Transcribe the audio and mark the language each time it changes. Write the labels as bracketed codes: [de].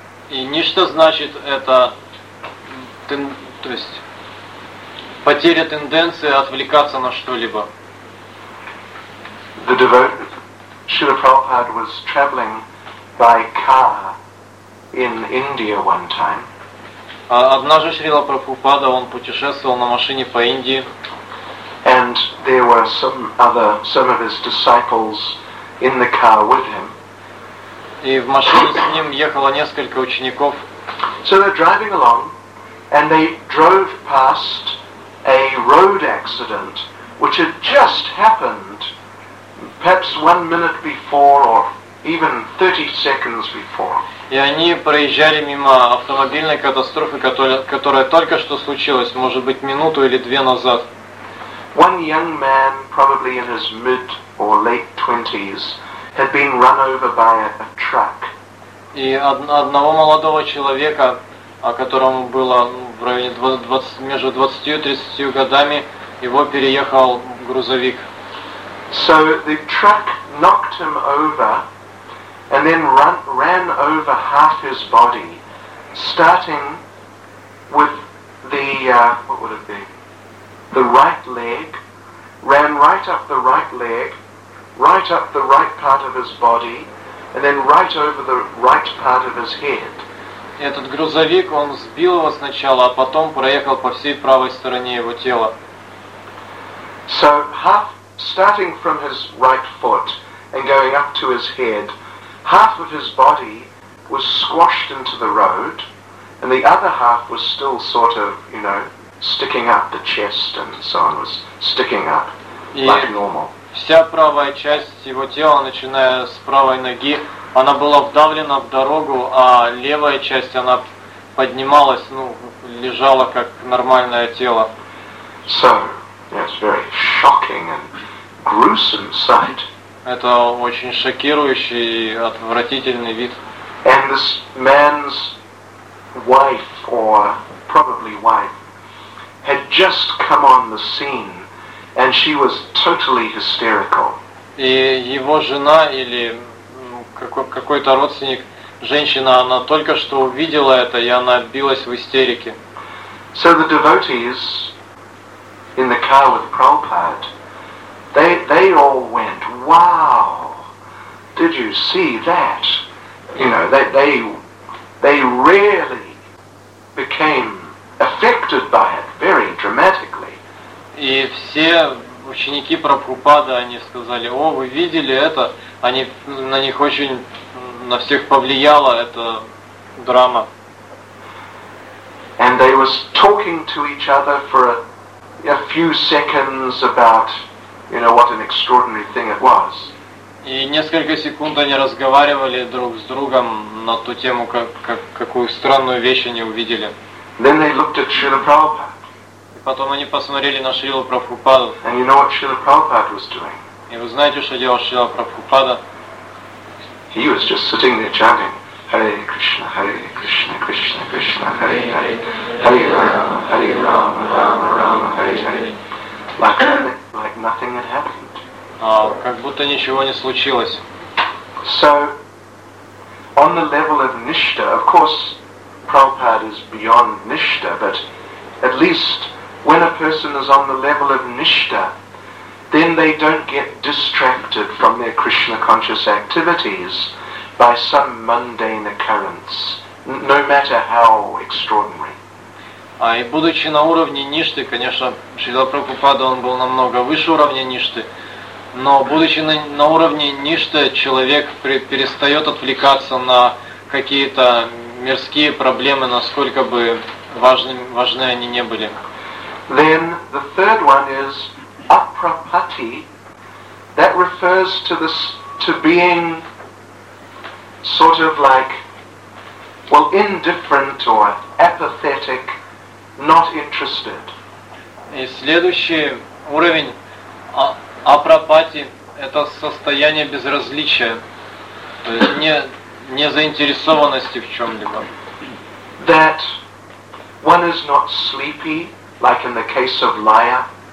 [ru] И ничто значит это, то есть потеря тенденции отвлекаться на что-либо. [en] The devotee Srila Prabhupada was traveling by car in India one time. [ru] Однажды Шрила Прабхупада он путешествовал на машине по Индии. [en] And there were some of his disciples in the car with him. [ru] И в машине с ним ехало несколько учеников. [en] So they're driving along, and they drove past a road accident, which had just happened, perhaps 1 minute before, or even 30 seconds before. [ru] И они проезжали мимо автомобильной катастрофы, которая только что случилась, может быть, минуту или две назад. [en] One young man, probably in his mid or late 20s, had been run over by a truck. [ru] И одного молодого человека, о котором было в районе 20, между 20 и 30 годами, его переехал грузовик. [en] So the truck knocked him over and then ran over half his body, starting with the what would it be? The right leg, ran right up the right leg, right up the right part of his body, and then right over the right part of his head. [ru] Этот грузовик, он сбил его сначала, а потом проехал по всей правой стороне его тела. [en] So, half, starting from his right foot and going up to his head, half of his body was squashed into the road, and the other half was still sort of, you know, sticking up, the chest and so on was sticking up like normal. [ru] Вся правая часть его тела, начиная с правой ноги, она была вдавлена в дорогу, а левая часть она поднималась, ну, лежала как нормальное тело. [en] So, yes, very shocking and gruesome sight. [ru] Это очень шокирующий и отвратительный вид. [en] And this man's wife, or probably wife, had just come on the scene, and she was totally hysterical. [ru] И его жена или какой-то родственник, женщина, она только что увидела это, и она билась в истерике. [en] So the devotees in the car with Prabhupada, they all went, wow, did you see that? You know, they really became affected by it very dramatically. [ru] И все ученики Прабхупады, они сказали, о, вы видели это? Они на них очень, на всех повлияла эта драма. [en] And they was talking to each other for a few seconds about, you know, what an extraordinary thing it was. [ru] И несколько секунд они разговаривали друг с другом на ту тему, какую странную вещь они увидели. [en] Then they looked at Srila Prabhupada. [ru] Потом они посмотрели на Шрилу Прабхупаду. [en] And you know what Srila Prabhupada was doing? [ru] И вы знаете, что делал Шрила Прабхупада? [en] He was just sitting there chanting, Hare Krishna, Hare Krishna, Krishna Krishna, Hare Hare, Hare Rama, Hare Rama, Rama Rama, Hare Hare, like nothing had happened. [ru] как будто ничего не случилось. [en] So, on the level of nishta, of course, Prabhupada is beyond nishta, but at least when a person is on the level of nishta, then they don't get distracted from their Krishna conscious activities by some mundane occurrence, no matter how extraordinary. [ru] А и будучи на уровне ништы, конечно, Шрила Прабхупада, он был намного выше уровня ништы, но будучи на уровне ништы, человек перестает отвлекаться на какие-то мирские проблемы, насколько бы важны они не были. [en] Then the third one is apropati. That refers to this, to being sort of like, well, indifferent or apathetic, not interested. [ru] И следующий уровень апропати – это состояние безразличия, то есть не заинтересованности в чем-либо. [en] That one is not sleepy, like in the case of Laya.